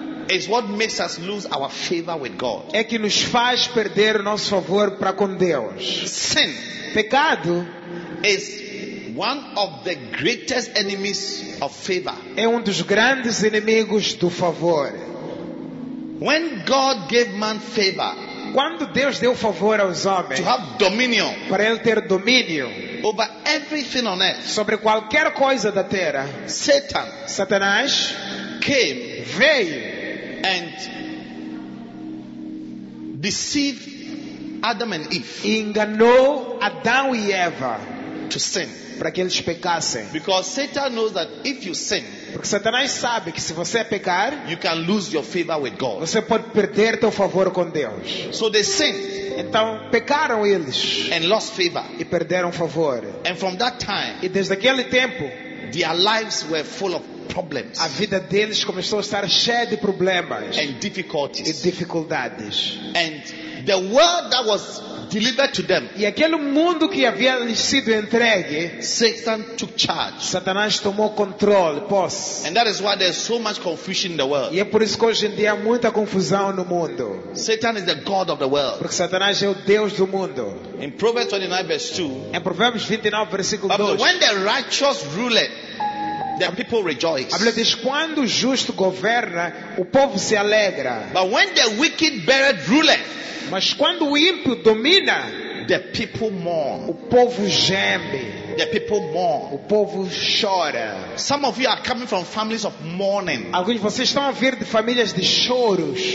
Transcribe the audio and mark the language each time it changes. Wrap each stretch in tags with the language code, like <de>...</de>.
<en>is what makes us lose our favor with God.</en> <pt>É que nos faz perder o nosso favor para com Deus.</pt> <en>Sin,</en> <pt>pecado,</pt> <en>is one of the greatest enemies of favor.</en> <pt>É dos grandes inimigos do favor.</pt> <en>When God gave man favor,</en> <pt>quando Deus deu favor aos homens,</pt> <en>to have dominion,</en> <pt>para ele ter domínio,</pt> <en>over everything on earth,</en> <pt>sobre qualquer coisa da terra,</pt> <en>Satan,</en> <pt>Satanás,</pt> <en>came,</en> <pt>veio,</pt> <en>and deceived Adam and Eve,</en> <pt>enganou Adão e Eva,</pt> <en>to sin,</en> <pt>para que eles pecassem.</pt> <en>Because Satan knows that if you sin,</en> <pt>porque Satanás sabe que se você pecar,</pt> <en>you can lose your favor with God.</en> <pt>Você pode perder teu favor com Deus.</pt> <en>So they sinned.</en> <pt>Então pecaram eles.</pt> <en>And lost favor.</en> <pt>E perderam favor.</pt> <en>And from that time,</en> <pt>e desde aquele tempo,</pt> <en>their lives were full of problems.</en> <pt>A vida deles começou a estar cheia de problemas.</pt> <en>And difficulties.</en> <pt>E dificuldades.</pt> <en>And the world that was delivered to them,</en> <pt>e aquele mundo que havia sido entregue,</pt> <en>Satan took charge.</en> <pt>Satanás tomou controle, posse.</pt> <en>And that is why there's so much confusion in the world.</en> <pt>E é por isso que hoje em dia há muita confusão no mundo.</pt> <en>Satan is the god of the world.</en> <pt>Porque Satanás é o deus do mundo.</pt> <en>In Proverbs 29 verse 2.</en> <pt>Em Provérbios 29 versículo 2.</pt> <en>But when the righteous rule, the people rejoice.</en> <pt>A Bíblia diz, quando o justo governa, o povo se alegra.</pt> <en>But when the wicked beareth rule,</en> <pt>mas quando o ímpio domina,</pt> <en>the people mourn.</en> <pt>O povo geme.</pt> <en>The people mourn.</en> <pt>O povo chora.</pt> <en>Some of you are coming from families of mourning.</en> <pt>Alguns de vocês estão a vir de famílias de choros.</pt>